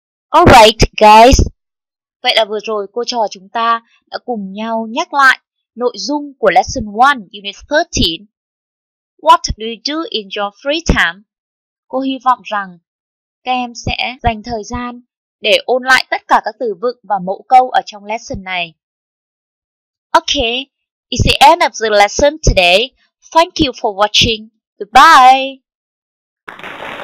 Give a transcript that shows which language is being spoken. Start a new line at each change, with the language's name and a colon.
English: Alright, guys.
Vietnamese: Vậy là vừa rồi cô trò chúng ta đã cùng nhau nhắc lại nội dung của Lesson 1, Unit 13.
English: What do you do in your free time?
Vietnamese: Cô hy vọng rằng các em sẽ dành thời gian để ôn lại tất cả các từ vựng và mẫu câu ở trong lesson này.
English: Okay, it's the end of the lesson today. Thank you for watching. Goodbye!